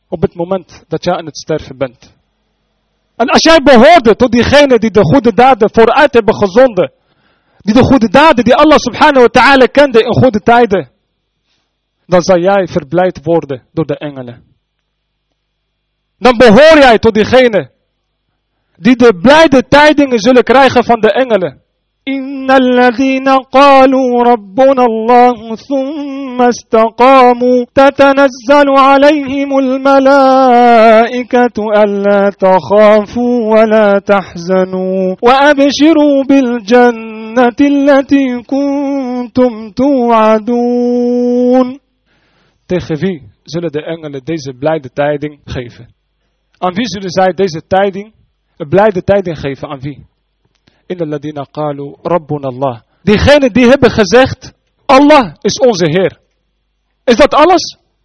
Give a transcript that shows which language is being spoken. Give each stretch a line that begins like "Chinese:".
Dutch: Op het moment dat jij aan het sterven bent. En als jij behoorde tot diegene die de goede daden vooruit hebben gezonden. Die de goede daden die Allah subhanahu wa ta'ala kende in goede tijden. Dan zal jij verblijd worden door de engelen. Dan behoor jij tot diegene die de blijde tijdingen zullen krijgen van de engelen.
Arabic: إن الذين قالوا ربنا الله ثم استقاموا تتنزل عليهم الملائكة ألا تخافوا ولا تحزنوا وأبشروا بالجنة التي كنتم توعدون.
Dutch: Tegen wie zullen de engelen deze blijde tijding geven? Aan wie zullen zij deze tijding, blijde tijding geven? Aan wie?
Arabic: In de ladina qalu rabbuna Allah.
Dutch: Diegenen die hebben gezegd, Allah is onze Heer. Is dat alles?